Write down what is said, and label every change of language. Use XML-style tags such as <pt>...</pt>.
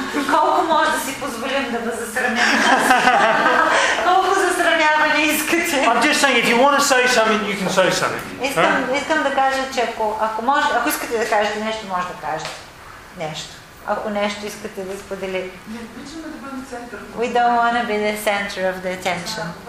<bg>Колко може да си позволим да бъде засрамяване? Колко засрамяване искате?</bg> <en>I'm just saying, if you want to say something, you can say something.</en> <bg>Искам да кажа, че ако искате да кажете нещо, може да кажете нещо. Ако нещо искате да споделите. Не обичаме да бъдем център.</bg> <en>We don't want to be the center of the attention.</en>